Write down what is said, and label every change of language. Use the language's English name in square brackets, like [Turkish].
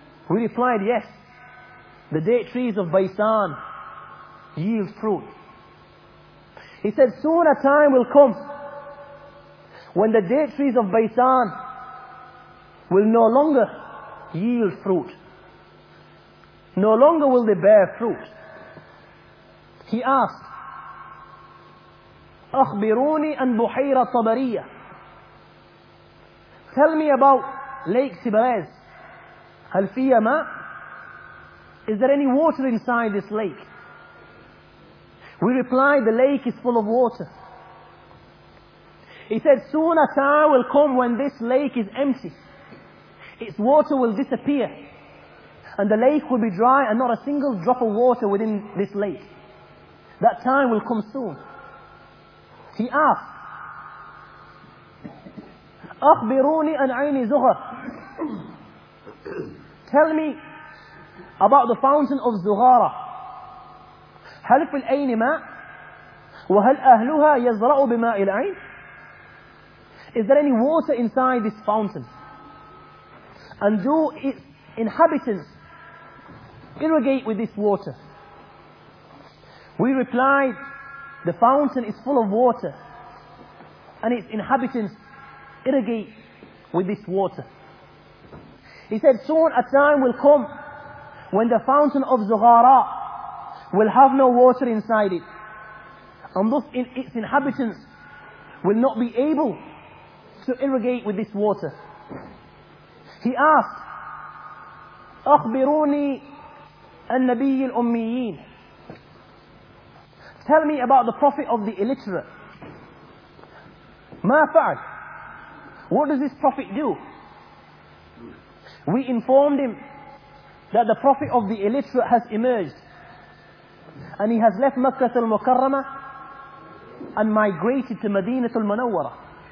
[English] We replied, yes, the date trees of Baysan yield fruit. He said, soon a time will come when the date trees of Baysan will no longer yield fruit. No longer will they bear fruit. He asked, [Arabic] أخبروني أن بحيرة طبرية. [English] Tell me about Lake Tibariz. [Arabic] هل فيها ماء? [English] Is there any water inside this lake? We replied, the lake is full of water. He said, soon a time will come when this lake is empty. Its water will disappear. And the lake will be dry and not a single drop of water within this lake. That time will come soon. He asked, [Arabic] أخبروني عن عين زغر. [English] Tell me about the fountain of Zughara. [Arabic] هل في العين ماء? وهل أهلها يزرع بماء العين? [English] Is there any water inside this fountain? And do its inhabitants irrigate with this water? We replied, the fountain is full of water and its inhabitants irrigate with this water. He said, soon a time will come when the fountain of Zughara will have no water inside it, and thus its inhabitants will not be able to irrigate with this water. He asked, [Arabic] أخبروني النبي الأميين. [English] Tell me about the prophet of the illiterate. [Arabic] ما فعل? [English] What does this prophet do? We informed him that the prophet of the illiterate has emerged, and he has left Makkah al-Mukarramah and migrated to Medina al-Munawwara.